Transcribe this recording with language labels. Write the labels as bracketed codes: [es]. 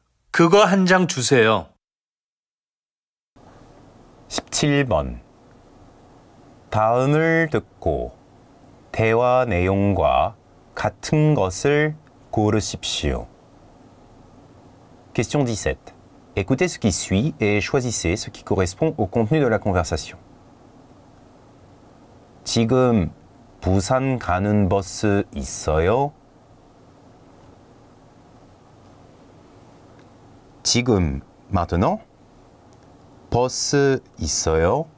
[ko] 그거 한 장 주세요. 17번 다음을 듣고 대화 내용과 같은 것을 고르십시오. [fr] Question 17. Écoutez ce qui suit et choisissez ce qui correspond au contenu de la conversation. [ko] 지금 부산 가는 버스 있어요? 지금, [fr] maintenant, [ko] 버스 있어요?